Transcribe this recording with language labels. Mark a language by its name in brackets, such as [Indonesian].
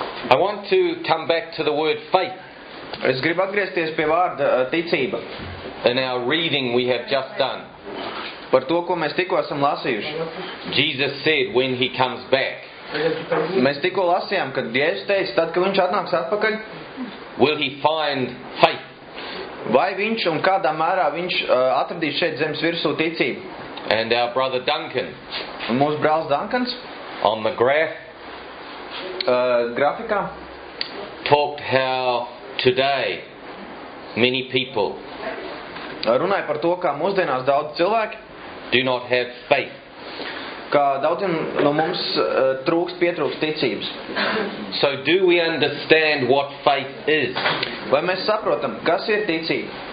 [English] I want to come back to the word faith. [Latvian] Es gribu atgriezties pie vārda ticība. [English] In our reading we have just done. [Latvian] Par to, ko mēs tikko esam lasījuši. [English] Jesus said when he comes back. [Latvian] Mēs tikko lasījām, kad Jēzus teica, tad, kad viņš atnāks atpakaļ. [English] Will he find faith? [Latvian] Vai viņš un kādā mērā viņš atradīs šeit zemes virsū ticību? [English] And our brother Duncan. [Latvian] Un mūsu brālis Duncans. [English] On the graph. [Latvian] Grafikā. [English] Talked how today many people. [Latvian] Runāja par to, kā mūsdienās daudz cilvēki. [English] Do not have faith. [Latvian] Kā daudziem no mums pietrūkst ticības. [English] So do we understand what faith is? [Latvian] Vai mēs saprotam, kas ir ticība?